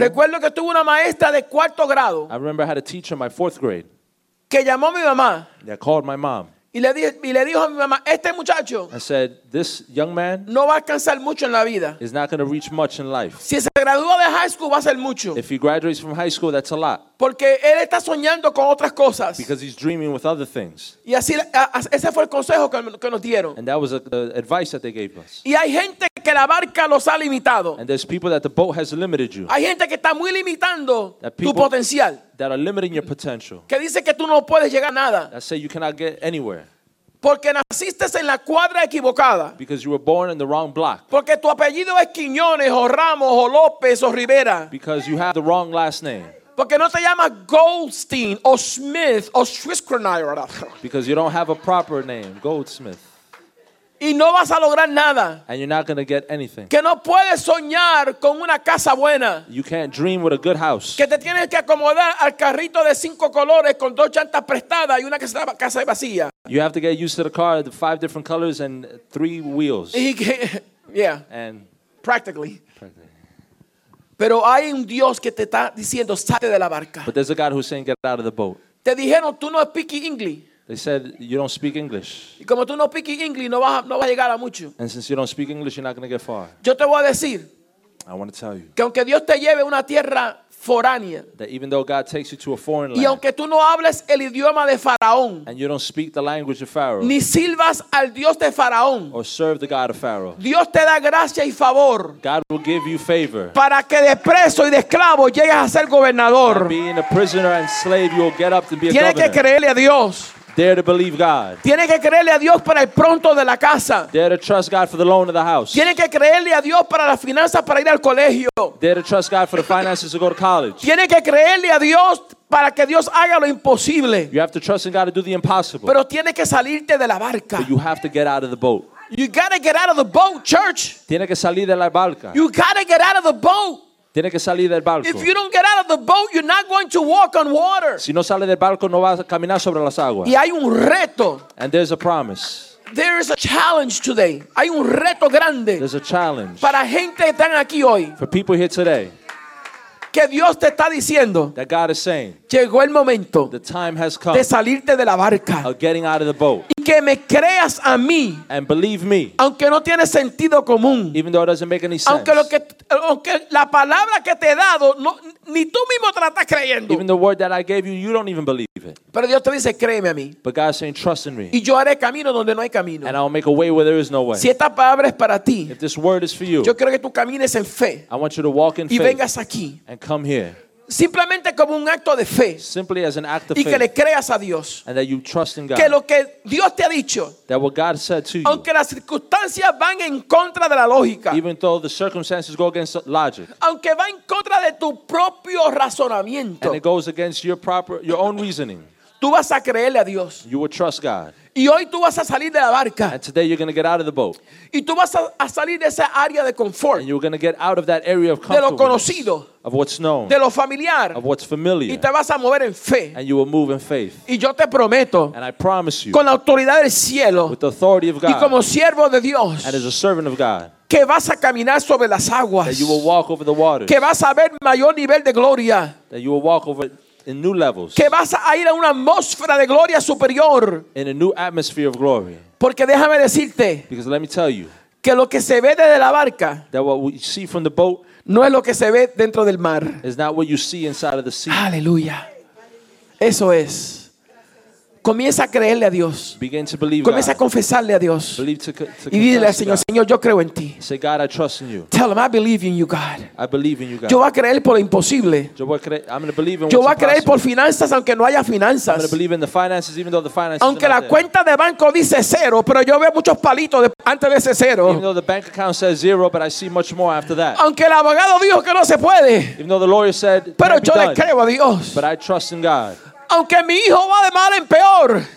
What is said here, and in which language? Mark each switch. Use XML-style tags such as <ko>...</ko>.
<es>Recuerdo que tuve una maestra de cuarto grado.</es> <en>I remember I had a teacher in my fourth grade.</en> <es>Que llamó a mi mamá.</es> <en>That called my mom.</en> <es>Y le dijo a mi mamá, este muchacho,</es> <en>I said, this young man,</en> <es>no va a alcanzar mucho en la vida.</es> <en>Is not going to reach much in life.</en> <es>Si se gradúa de high school, va a ser mucho.</es> <en>If he graduates from high school, that's a lot.</en> <es>Porque él está soñando con otras cosas.</es> <en>Because he's dreaming with other things.</en> <es>Y así, ese fue el consejo que nos dieron.</es> <en>And that was the advice that they gave us.</en> <es>Y hay gente que la barca los ha limitado.</es> <en>And there's people that the boat has limited you.</en> <es>Hay gente que está muy limitando tu potencial.</es> <en>That are limiting your potential.</en> <es>Que dice que tú no puedes llegar a nada.</es> <en>That say you cannot get anywhere.</en> <es>Porque naciste en la cuadra equivocada.</es> <en>Because you were born in the wrong block.</en> <es>Porque tu apellido es Quiñones o Ramos o López o Rivera.</es> <en>Because you have the wrong last name.</en> <es>Porque no te llamas Goldstein o Smith o Schwitzkronier.</es> <en>Because you don't have a proper name, Goldsmith.</en> <es>Y no vas a lograr nada.</es> <en>And you're not going to get anything.</en> <es>Que no puedes soñar con una casa buena.</es> <en>You can't dream with a good house.</en> <es>Que te tienes que acomodar al carrito de cinco colores con dos llantas prestadas y una casa vacía.</es> <en>You have to get used to the car, the five different colors and three wheels.</en> <es>Y que, yeah.</es> <en>And practically.</en> <es>Pero hay un Dios que te está diciendo, salte de la barca.</es> <en>But there's a God who's saying, get out of the boat.</en> <es>Te dijeron, tú no</es> <en>speak English. They said, you don't speak English.</en> <es>Y como tú no</es> <en>speak English,</en> <es>no vas a llegar a mucho.</es> <en>And since you don't speak English, you're not going to get far.</en> <es>Yo te voy a decir.</es> <en>I want to tell you.</en> <es>Que aunque Dios te lleve a una tierra foránea.</es> <en>That even though God takes you to a foreign land.</en> <es>Y aunque tú no hables el idioma de Faraón.</es> <en>And you don't speak the language of Pharaoh.</en> <es>Ni sirvas al Dios de Faraón.</es> <en>Or serve the God of Pharaoh.</en> <es>Dios te da gracia y favor.</es> <en>God will give you favor.</en> <es>Para que de preso y de esclavo llegues a ser gobernador.</es> <en>And being a prisoner and slave, you'll get up to be a</en> <es>Tienes</es> <en>governor.</en> <es>Que creerle a Dios.</es> <en>Dare to believe God.</en> <es>Tiene que creerle a Dios para el pronto de la casa.</es> <en>Dare to trust God for the loan of the house.</en> <es>Tiene que creerle a Dios para las finanzas para ir al colegio.</es> <en>Dare to trust God for the finances to go to college.</en> <es>Tiene que creerle a Dios para que Dios haga lo imposible.</es> <en>You have to trust in God to do the impossible.</en> <es>Pero tiene que salirte de la barca.</es> <en>But you have to get out of the boat. You gotta get out of the boat, church.</en> <es>Tiene que salir de la barca.</es> <en>You gotta get out of the boat.</en> <es>Tiene que salir del barco.</es> <en>If you don't get out of the boat, you're not going to walk on water.</en> <es>Si no sale del barco, no vas a caminar sobre las aguas. Y hay un reto.</es> <en>And there's a promise. There is a challenge today.</en> <es>Hay un reto grande.</es> <en>There's a challenge.</en> <es>Para gente que están aquí hoy.</es> <en>For people here today.</en> <es>Que Dios te está diciendo.</es> <en>That God is saying.</en> <es>Llegó el momento.</es> <en>The time has come.</en> <es>De salirte de la barca.</es> <en>Of getting out of the boat.</en> <es>Y que me creas a mí.</es> <en>And believe me.</en> <es>Aunque no tiene sentido común.</es> <en>Even though it doesn't make any sense.</en> <es>Aunque la palabra que te he dado, no, ni tú mismo te la estás creyendo.</es> <en>Even the word that I gave you, you don't even believe it.</en> <es>Pero Dios te dice, créeme a mí.</es> <en>But God is saying, trust in me.</en> <es>Y yo haré camino donde no hay camino.</es> <en>And I will make a way where there is no way.</en> <es>Si esta palabra es para ti.</es> <en>If this word is for you.</en> <es>Yo quiero que tú camines en fe.</es> <en>I want you to walk in faith.</en> <es>Y vengas aquí.</es> <en>And come here.</en> <es>Simplemente como un acto de fe.</es> <en>Simply as an act of</en> <es>y que</es> <en>faith.</en> <es>Le creas a Dios.</es> <en>And that you trust in God.</en> <es>Que lo que Dios te ha dicho.</es> <en>That what God said to you.</en> <es>Aunque las circunstancias van en contra de la lógica.</es> <en>Even though the circumstances go against logic.</en> <es>Aunque va en contra de tu propio razonamiento.</es> <en>And it goes against your own reasoning.</en> <es>Tú vas a creerle a Dios.</es> <en>You will trust God.</en> <es>Y hoy tú vas a salir de la barca.</es> <en>And today you're going to get out of the boat.</en> <es>Y tú vas a salir de esa área de confort.</es> <en>And you're going to get out of that area of comfort.</en> <es>De lo conocido.</es> <en>Of what's known.</en> <es>De lo familiar.</es> <en>Of what's familiar.</en> <es>Y te vas a mover en fe.</es> <en>And you will move in faith.</en> <es>Y yo te prometo.</es> <en>And I promise you.</en> <es>Con la autoridad del cielo.</es> <en>With the authority of God.</en> <es>Y como siervo de Dios.</es> <en>And as a servant of God.</en> <es>Que vas a caminar sobre las aguas.</es> <en>That you will walk over the waters.</en> <es>Que vas a ver mayor nivel de gloria.</es> <en>That you will walk over in new levels.</en> <es>Que vas a ir a una atmósfera de gloria superior.</es> <en>In a new atmosphere of glory.</en> <es>Porque déjame decirte.</es> <en>Because let me tell you.</en> <es>Que lo que se ve desde la barca.</es> <en>That what we see from the boat.</en> <es>No es lo que se ve dentro del mar.</es> <en>Is not what you see inside of the sea.</en> <es>Aleluya. Eso es. Comienza a creerle a Dios.</es> <en>Begin to believe</en> <es>Comienza</es> <en>God.</en> <es>A confesarle a Dios.</es> <en>Believe to</en> <es>y dile al Señor,</es> <en>God.</en> <es>Señor, yo creo en ti.</es> <en>Say, God, I trust in you. Tell him, I believe in you, God. I believe in you, God.</en> <es>Yo voy a creer por lo imposible.</es> <en>I'm going to believe in</en> <es>yo voy a creer por finanzas aunque no haya finanzas.</es> <en>I'm going to believe in the finances even though the finances</en> <es>aunque</es> <en>are not</en> <es>la cuenta</es> <en>there.</en> <es>De banco dice cero, pero yo veo muchos palitos antes de ese cero.</es> <en>Even though the bank account says zero, but I see much more after that.</en> <es>Aunque el abogado dijo que no se puede.</es> <en>Even though the lawyer said</en> <es>pero yo</es> <en>done.</en> <es>Le creo a Dios.</es> <en>But I trust in God.</en> <es>Aunque mi hijo va de mal en peor.</es>